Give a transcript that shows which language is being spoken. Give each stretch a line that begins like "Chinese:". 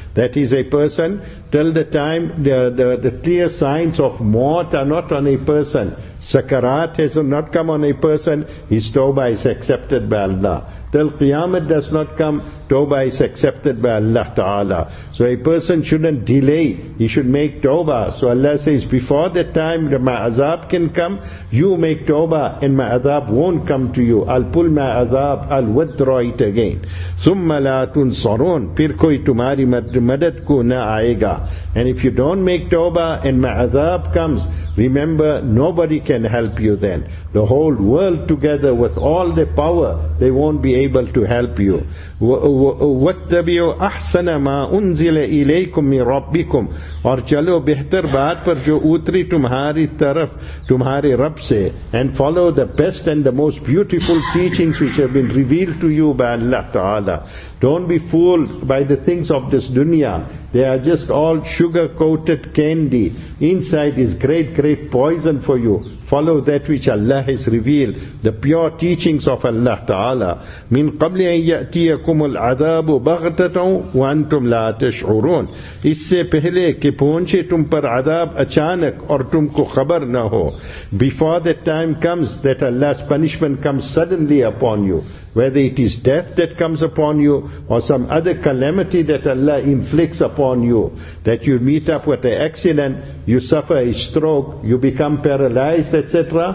English: That is, a person, till the time the clear signs of maut are not on a person, sakarat has not come on a person, his tawbah is accepted by Allah. Till Qiyamah does not come, tawbah is accepted by Allah Ta'ala. So a person shouldn't delay, he should make tawbah. So Allah says, before that time that my azab can come, you make tawbah and my azab won't come to you. I'll pull my azab, I'll withdraw it again.
Arabic: ثُمَّ لَا تُنصَرُونَ,
Urdu: پھر کوئی تمہاری مدد کو نہ آئے گا.
English: And if you don't make tawbah and my azab comes, remember, nobody can help you then. The whole world together with all the power, they won't be able to help you.
Arabic: وَاتَّبِعُوا أَحْسَنَ مَا أُنزِلَ إِلَيْكُم مِّن رَبِّكُمْ,
Urdu: اور چلو بہتر بات پر جو اتری تمہاری طرف تمہارے رب سے.
English: And follow the best and the most beautiful teachings which have been revealed to you by Allah Ta'ala. Don't be fooled by the things of this dunya. They are just all sugar-coated candy. Inside is great, great poison for you. Follow that which Allah has revealed, the pure teachings of Allah Ta'ala.
Arabic: مِن قَبْلِ أَن يَأْتِيَكُمُ الْعَذَابُ بَغْتَةً وَأَنْتُمْ لَا تَشْعُرُونَ,
Urdu: اس سے پہلے کہ پہنچے تم پر عذاب اچانک اور تم کو خبر نہ ہو.
English: Before that time comes, that Allah's punishment comes suddenly upon you, whether it is death that comes upon you or some other calamity that Allah inflicts upon you, that you meet up with an accident, you suffer a stroke, you become paralyzed, etc.